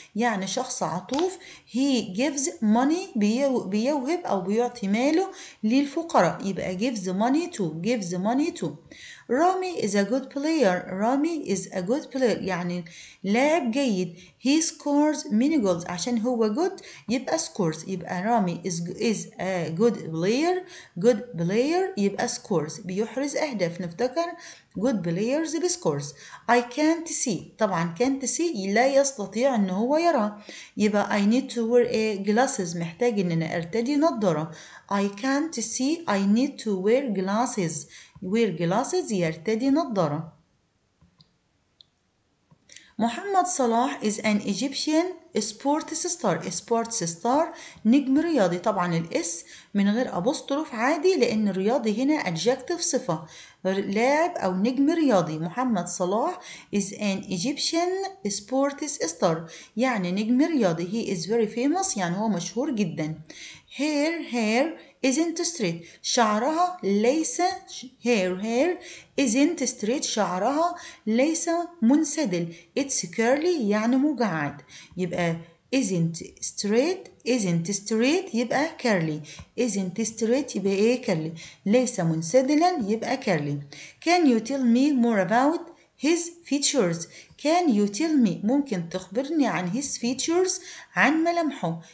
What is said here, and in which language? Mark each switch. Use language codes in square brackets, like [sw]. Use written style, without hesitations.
[ar] يعني شخص عطوف. [en] He gives money. [ar] بيوهب أو بيعطي ماله للفقراء. [en] يبقى gives money to. Gives money to. Rami is a good player. Rami is a good player. [ar] يعني لاعب جيد. [en] He scores many goals. [ar] عشان هو good يبقى scores. [en] يبقى Rami is a good player. Good player يبقى scores. [ar] بيحرز أهداف. نفتكر good players بسكورز. [en] I can't see. [ar] طبعا can't see لا يستطيع ان هو يرى. [en] يبقى I need to wear a glasses. [ar] محتاج ان انا ارتدي نظارة. [en] I can't see. I need to wear glasses. [ar] Wear glasses يرتدي نظارة. [en] محمد صلاح is an Egyptian sports star. [ar] Sports star نجم رياضي. طبعا الاس من غير ابوستروف عادي لان الرياضي هنا adjective صفة. لاعب أو نجم رياضي. [en] محمد صلاح is an Egyptian sports star [ar] يعني نجم رياضي. [en] He is very famous [ar] يعني هو مشهور جدا. [en] Her isn't straight. [ar] شعرها ليس her isn't straight. شعرها ليس منسدل. [en] It's curly [ar] يعني مجعد. [en] يبقى isn't straight. Isn't straight يبقى curly. Isn't straight يبقى إيه curly. [ar] ليس منسدلا يبقى curly. [en] Can you tell me more about his features? Can you tell me [ar] ممكن تخبرني عن [en] his features عن ملامحه.